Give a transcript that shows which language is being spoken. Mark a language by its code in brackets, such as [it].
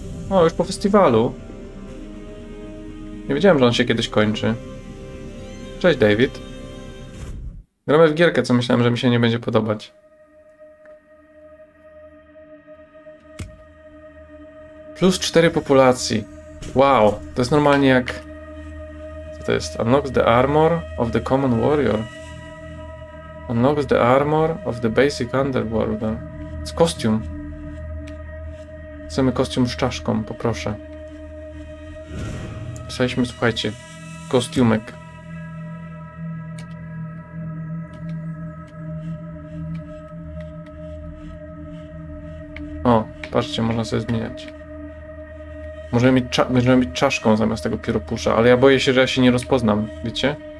[pl] O, już po festiwalu. Nie wiedziałem, że on się kiedyś kończy. Cześć, David. Gramy w gierkę, co myślałem, że mi się nie będzie podobać. Plus 4 populacji. Wow, to jest normalnie jak... Co to jest? [en] Unlocks the armor of the common warrior. Unlocks the armor of the basic underworlder. It's costume. [pl] Chcemy kostium z czaszką, poproszę. Dostaliśmy, słuchajcie, kostiumek. O, patrzcie, można sobie zmieniać. Możemy mieć czaszką zamiast tego pióropusza, ale ja boję się, że ja się nie rozpoznam, wiecie?